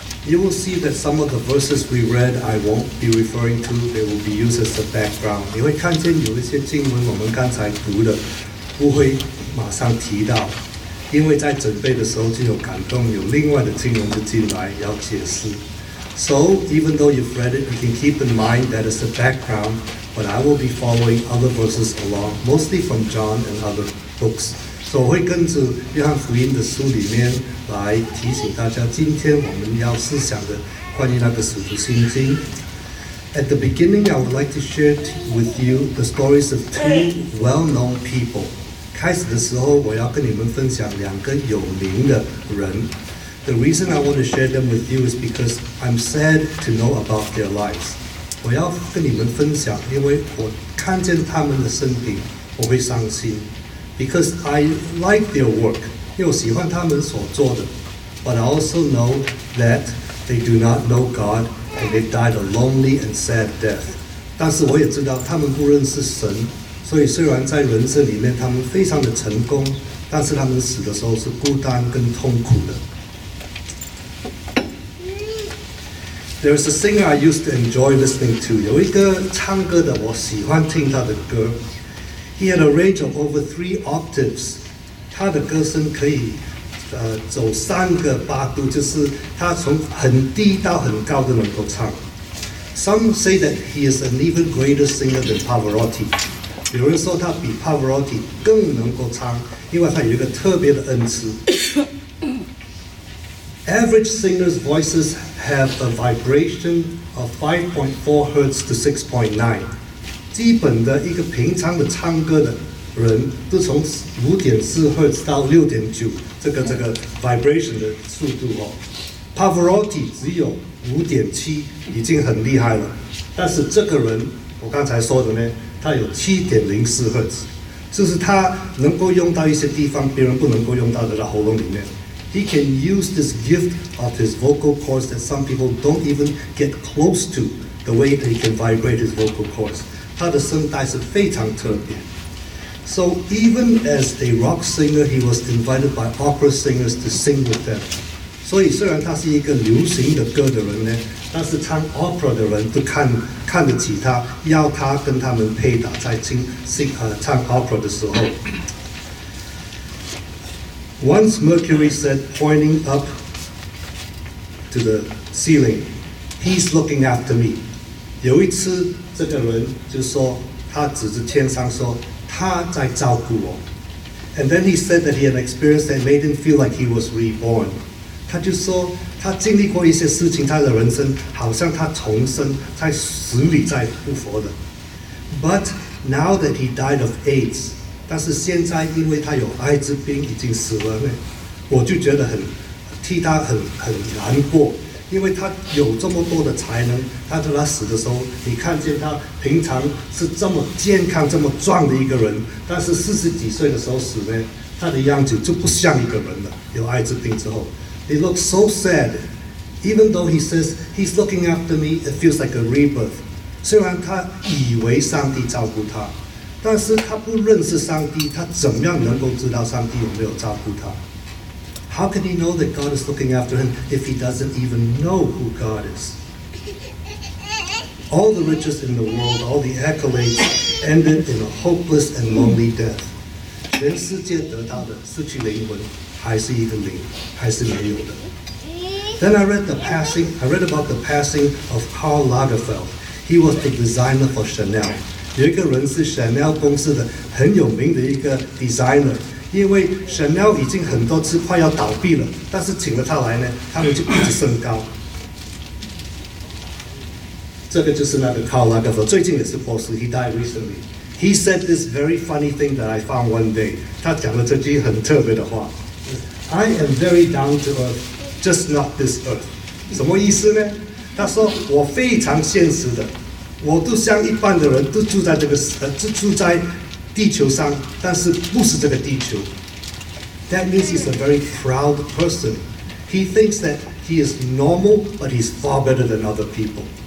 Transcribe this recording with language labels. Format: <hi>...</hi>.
<en>You will see that some of the verses we read, I won't be referring to. They will be used as a background.</en> <zh>你会看见有一些经文我们刚才读的不会马上提到，因为在准备的时候就有感动，有另外的经文就进来要解释。</zh> <en>So, even though you've read it, you can keep in mind that it's the background, but I will be following other verses along, mostly from John and other books.</en> <zh>So, 我会跟着约翰福音的书里面来提醒大家今天我们要思想的关于那个使徒信经。</zh> <en>At the beginning, I would like to share with you the stories of two well-known people.</en> <zh>开始的时候我要跟你们分享两个有名的人。</zh> <en>The reason I want to share them with you is because I'm sad to know about their lives.</en> <zh>我要跟你们分享，因为我看见他们的生平，我会伤心。</zh> <en>Because I like their work,</en> <zh>因为我喜欢他们所做的。</zh> <en>But I also know that they do not know God, and they died a lonely and sad death.</en> <zh>但是我也知道他们不认识神，所以虽然在人生里面他们非常的成功，但是他们死的时候是孤单跟痛苦的。</zh> <en>There's a singer I used to enjoy listening to.</en> <zh>有一个唱歌的我喜欢听他的歌。</zh> <en>He had a range of over 3 octaves.</en> <zh>他的歌声可以走3个8度，就是他从很低到很高都能够唱。</zh> <en>Some say that he is an even greater singer than Pavarotti.</en> <zh>有人说他比 Pavarotti 更能够唱，因为他有一个特别的恩赐。</zh> <en>Average singers' voices have a vibration of 5.4 hertz to 6.9.</en> <zh>基本的一个平常的唱歌的人都从5.4 hertz 到6.9这个 vibration 的速度哦。 Pavarotti 只有5.7，已经很厉害了。但是这个人，我刚才说的呢，他有7.04 hertz， 就是他能够用到一些地方，别人不能够用到的，在喉咙里面。</zh> <en>He can use this gift of his vocal cords that some people don't even get close to, the way that he can vibrate his vocal cords.</en> <zh>他的声带是非常特别。</zh> <en>So even as a rock singer, he was invited by opera singers to sing with them.</en> <zh>所以虽然他是一个流行的歌的人呢，但是唱 opera 的人都看得起他，要他跟他们配搭在唱 opera 的时候。</zh> <en>Once Mercury said, pointing up to the ceiling, "He's looking after me."</en> <zh>有一次，这个人就说，他指着天上说，他在照顾我。</zh> <en>And then he said that he had an experience that made him feel like he was reborn.</en> <zh>他就说，他经历过一些事情，他的人生好像他重生，在死里再复活的。</zh> <en>But now that he died of AIDS.</en> <zh>但是现在因为他有艾滋病已经死了呢，我就觉得很替他很难过，因为他有这么多的才能，他在他死的时候，你看见他平常是这么健康这么壮的一个人，但是40几岁的时候死呢，他的样子就不像一个人了。有艾滋病之后</zh> <en>，He looks so sad. Even though he says he's looking after me, it feels like a rebirth.</en> <zh>虽然他以为上帝照顾他。但是他不认识上帝，他怎么样能够知道上帝有没有照顾他</zh> <en>？How can he know that God is looking after him if he doesn't even know who God is? All the riches in the world, all the accolades, ended in a hopeless and lonely death.</en> <zh>全世界得到的，失去灵魂，还是一个灵，还是没有的。</zh> <en>Then I read about the passing of Karl Lagerfeld. He was the designer for Chanel.</en> <zh>有一个人是 Chanel 公司的很有名的一个 designer， 因为 Chanel 已经很多次快要倒闭了，但是请了他来呢，他们就一直升高。这个就是那个 Karl Lagerfeld， 最近也是博士 ，</zh> <en>He died recently. He said this very funny thing that I found one day.</en> <zh>他讲了这句很特别的话</zh> <en>：I am very down to earth, just not this earth.</en> <zh>什么意思呢？他说我非常现实的。我都像一般的人，都住在这个住在地球上，但是不是这个地球。</zh> <en>That means he's a very proud person. He thinks that he is normal, but he's far better than other people.</en>